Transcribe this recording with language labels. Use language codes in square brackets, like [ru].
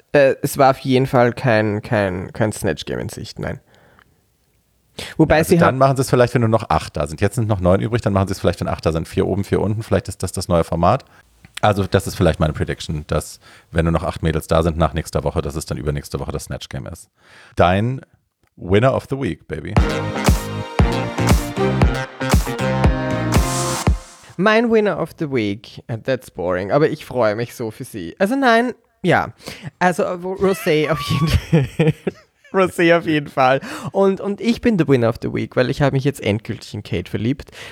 [de] Es war auf jeden Fall kein Snatch Game in Sicht, nein. Wobei sie dann machen sie es vielleicht, wenn nur noch 8 da sind. Jetzt sind noch 9 übrig, dann machen sie es vielleicht, wenn 8 da sind. 4 oben, 4 unten, vielleicht ist das neue Format. Also das ist vielleicht meine Prediction, dass wenn nur noch 8 Mädels da sind nach nächster Woche, dass es dann übernächste Woche das Snatch Game ist. [en] Dein Winner of the Week, baby. [de] Mein Winner of the Week, [en] that's boring, [de] aber ich freue mich so für sie. Also nein, ja, also Rosé auf jeden Fall. Rosé auf jeden Fall. Und ich bin [en] the winner of the week, [de] weil ich habe mich jetzt endgültig in Kate verliebt.